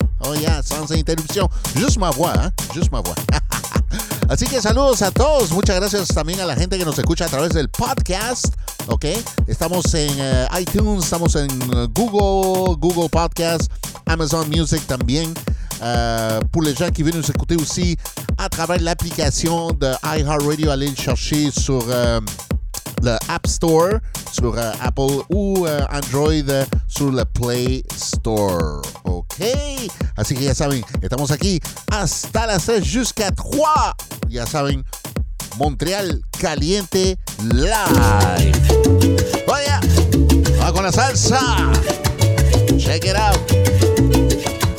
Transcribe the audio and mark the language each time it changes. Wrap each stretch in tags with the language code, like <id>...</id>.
<en>Oh yeah,</en> <fr>sans</fr> <es>interrupción.</es> <en>Just</en> <fr>ma voix,</fr> <es>just ma voix. Así que saludos a todos. Muchas gracias también a la gente que nos escucha a través del podcast, ¿ok? Estamos en iTunes, estamos en Google Podcast, Amazon Music también.</es> <fr>Pour les gens qui veulent nous écouter aussi à travers l'application de iHeartRadio, allez le chercher sur le App Store, sur Apple ou Android, sur le Play Store,</fr> <es>¿ok? Así que ya saben, estamos aquí hasta las 6</es> <fr>jusqu'à 3.</fr> <es>Ya saben, Montreal Caliente Live. Vaya, va con la salsa.</es> <en>Check it out.</en>